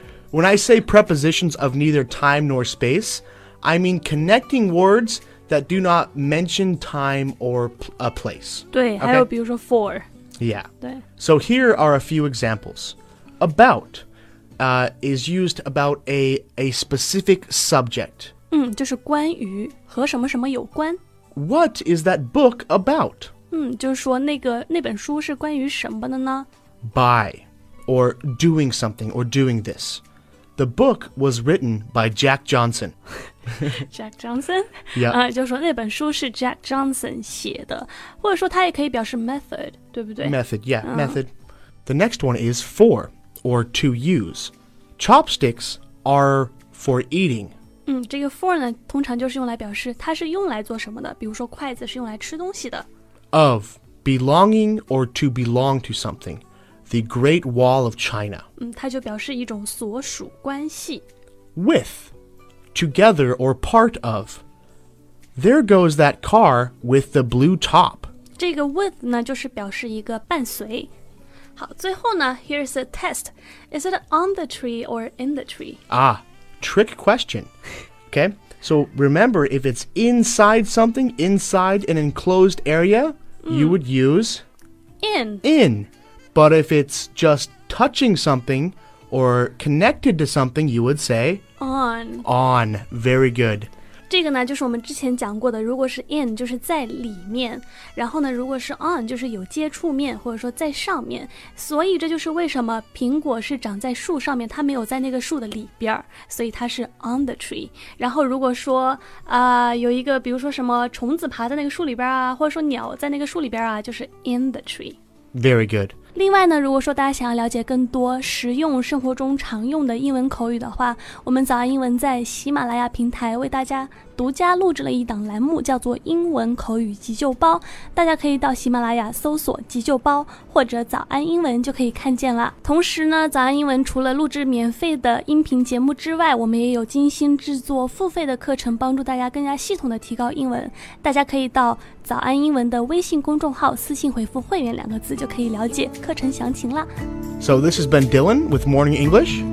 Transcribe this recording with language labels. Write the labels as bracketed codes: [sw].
[en] When I say prepositions of neither time nor space, I mean connecting words that do not mention time or a place. [zh] 对、okay? 还有比如说 for. [en] Yeah. [zh] 对。 [en] So here are a few examples. About. Is used about a specific subject. [zh] 就是关于和什么什么有关。 [en] What is that book about? [zh] 就是说那本书是关于什么的呢? [en] By, or doing something, or doing this. The book was written by Jack Johnson. Jack Johnson? Yeah. [zh] 就是说那本书是 Jack Johnson 写的。或者说它也可以表示 method, 对不对? [en] Method, yeah, method. The next one is for. Or to use. Chopsticks are for eating. [zh] 这个 for 呢通常就是用来表示它是用来做什么的，比如说筷子是用来吃东西的。 [en] Of, belonging or to belong to something. The Great Wall of China. [zh] 它就表示一种所属关系。 [en] With, together or part of. There goes that car with the blue top. [zh] 这个 with 呢就是表示一个伴随。好，最后呢 [en] ,here's a test. Is it on the tree or in the tree? Ah, trick question. Okay, so remember, if it's inside something, inside an enclosed area, you would use... In. In. But if it's just touching something or connected to something, you would say... On. On. Very good. [zh] 这个呢就是我们之前讲过的如果是 in 就是在里面然后呢如果是 on 就是有接触面或者说在上面所以这就是为什么苹果是长在树上面它没有在那个树的里边所以它是 [en] on the tree [zh] 然后如果说、有一个比如说什么虫子爬在那个树里边啊或者说鸟在那个树里边啊就是 [en] in the tree Very good [zh] 另外呢如果说大家想要了解更多实用生活中常用的英文口语的话我们早安英文在喜马拉雅平台为大家独家录制了一档栏目叫做英文口语急救包大家可以到喜马拉雅搜索急救包或者早安英文就可以看见了同时呢早安英文除了录制免费的音频节目之外我们也有精心制作付费的课程帮助大家更加系统的提高英文大家可以到早安英文的微信公众号私信回复会员两个字就可以了解课程详情了 [en] So this has been Dylan with Morning English